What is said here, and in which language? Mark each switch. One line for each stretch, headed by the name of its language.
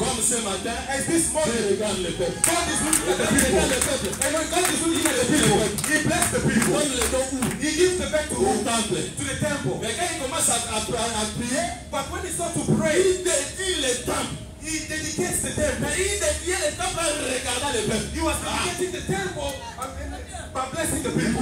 French: Comme ce matin,
English: and this morning, God is looking at the people. And when God is looking at the people, he blessed the people. He gives the back to whom? To the temple. But when he starts to pray, he
French: Il dédiait ce temple. Mais il dédiait le temple en regardant le peuple.
English: He was dedicating the temple by blessing the people.